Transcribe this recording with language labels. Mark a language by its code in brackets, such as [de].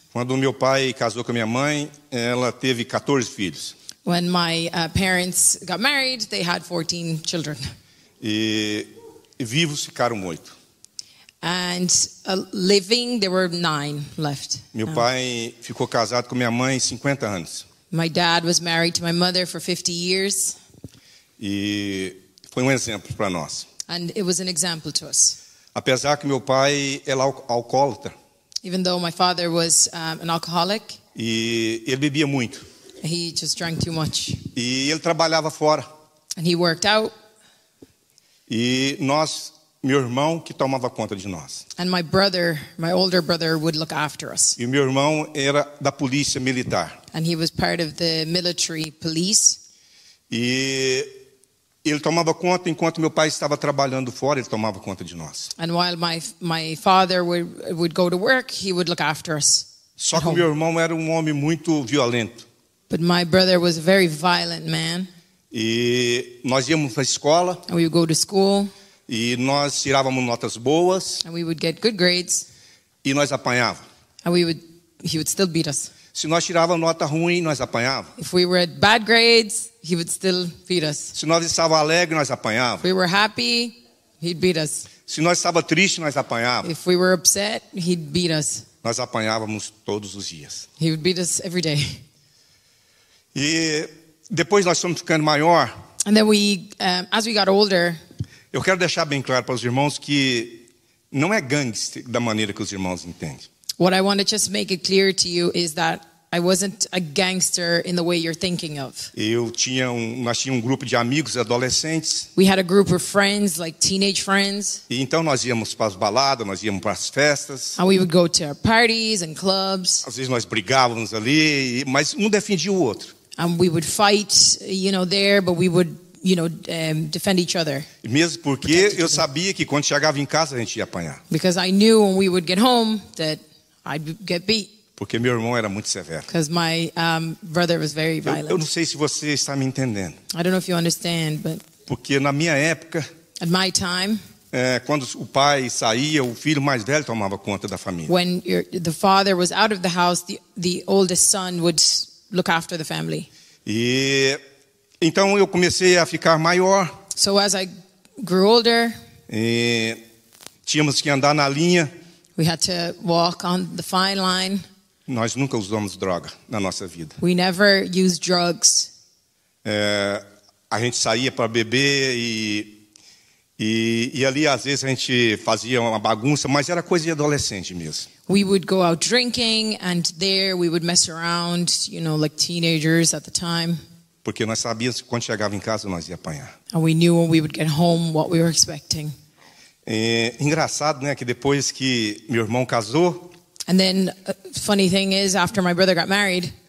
[pt] Quando meu pai casou com minha mãe, ela teve 14 filhos. [en] When my parents got married, they had 14 children. [pt] E vivos ficaram 8. [en] And living, there were 9 left. [pt] Meu pai ficou casado com minha mãe 50 anos. [en] My dad was married to my mother for 50 years. [pt] E foi exemplo para nós. [en] And it was an example to us. [pt] Apesar que meu pai era alcoólatra. [en] Even though my father was an alcoholic. [pt] E ele bebia muito. [en] He just drank too much. [pt] E ele trabalhava fora. [en] And he worked out. [pt] E nós, meu irmão, que tomava conta de nós. [en] And my brother, my older brother, would look after us. [pt] E meu irmão era da polícia militar. [en] And he was part of the military police. [pt] E ele tomava conta enquanto meu pai estava trabalhando fora, ele tomava conta de nós. [en] And while my father would go to work, he would look after us. [pt] Só que meu irmão era homem muito violento. [en] But my brother was a very violent man. [pt] E nós íamos para a escola. [en] And we would go to school. [pt] E nós tirávamos notas boas. [en] And we would get good grades. [pt] E nós apanhávamos. [en] And he would still beat us. [pt] Se nós tirávamos nota ruim, nós apanhávamos. [en] If we were at bad grades, he would still beat us. [pt] Se nós estávamos alegres, nós apanhávamos. [en] If we were happy, he'd beat us. [pt] Se nós estávamos tristes, nós apanhávamos. [en] If we were upset, he'd beat us. [pt] Nós apanhávamos todos os dias. [en] He would beat us every day. [pt] E depois nós fomos ficando maior. [en] And then as we got older. [pt] Eu quero deixar bem claro para os irmãos que não é gangster da maneira que os irmãos entendem. [en] What I want to just make it clear to you is that I wasn't a gangster in the way you're thinking of. [pt] Nós tínhamos grupo de amigos adolescentes. [en] We had a group of friends, like teenage friends. [pt] E então nós íamos para as baladas, nós íamos para as festas. [en] And we would go to our parties and clubs. [pt] Às vezes nós brigávamos ali, mas defendia o outro. [en] And we would fight, there, but we would, defend each other. [pt] Mesmo porque eu sabia que quando chegava em casa a gente ia apanhar. [en] Because I knew when we would get home that I'd get beat. [pt] Porque meu irmão era muito severo. [en] Because my brother was very violent. [pt] Eu não sei se você está me entendendo. [en] I don't know if you understand, but. [pt] Porque na minha época. [en] At my time. [pt] Quando o pai saía, o filho mais velho tomava conta da família. [en] When the father was out of the house, the oldest son would look after the family. [pt] E então eu comecei a ficar maior. [en] So as I grew older. [pt] Tínhamos que andar na linha. [en] We had to walk on the fine line. [pt] Nós nunca usamos droga na nossa vida. [en] We never used drugs. [pt] A gente saía para beber e ali às vezes a gente fazia uma bagunça, mas era coisa de adolescente mesmo. [en] We would go out drinking and there we would mess around, like teenagers at the time. [pt] Porque nós sabíamos que quando chegava em casa nós ia apanhar. [en] And we knew when we would get home what we were expecting. [pt] Engraçado, né, que depois que meu irmão casou. [en] And then, funny thing is, after my brother got married.